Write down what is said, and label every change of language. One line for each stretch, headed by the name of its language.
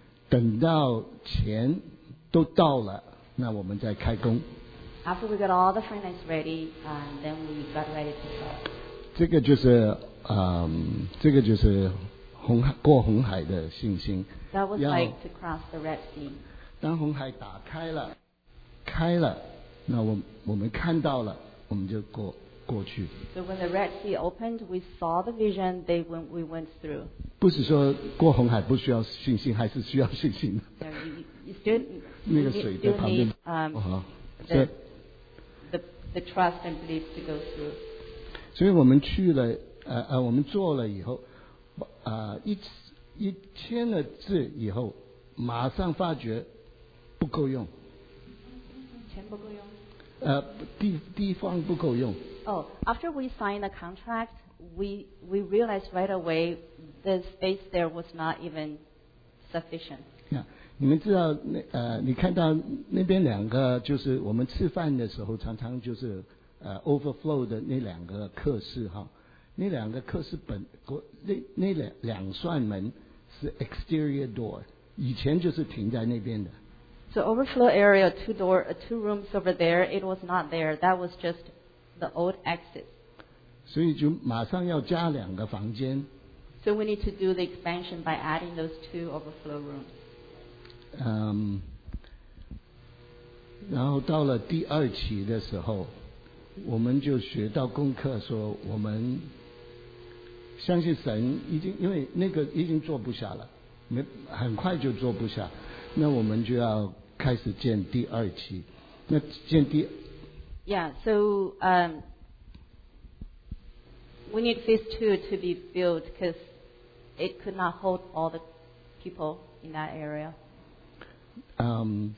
Chinese: 等到钱都到了，那我们再开工。
English: After we got all the finance ready, then we got ready to go.
Chinese: 这个就是这个就是红海过红海的信心。
English: That was like to cross the Red Sea.
Chinese: 当红海打开了，开了，那我们看到了，我们就过去。
English: So when the Red Sea opened, we saw the vision. We went through.
Chinese: 不是说过红海不需要信心，还是需要信心的。那个水在旁边。
English: The trust and belief to go through.
Chinese: 所以我们去了，我们做了以后，一签了字以后，马上发觉不够用。钱不够用。地方不够用。
English: After we signed the contract, we realized right away. The space there was not even sufficient.
Chinese: Yeah, 你们知道那你看到那边两个就是我们吃饭的时候常常就是overflow 的那两个客室哈，那两个客室本那两扇门是 exterior door, 以前就是停在那边的。
English: So overflow area two rooms over there, it was not there. That was just the old exit.
Chinese: 所以就马上要加两个房间。
English: So we need to do the expansion by adding those two overflow rooms.
Chinese: 然后到了第二期的时候，我们就学到功课，说我们相信神已经，因为那个已经坐不下了，很快就坐不下，那我们就要开始建第二期。那建第
English: ，Yeah, so we need phase two to be built because. It could not hold all the people in that area.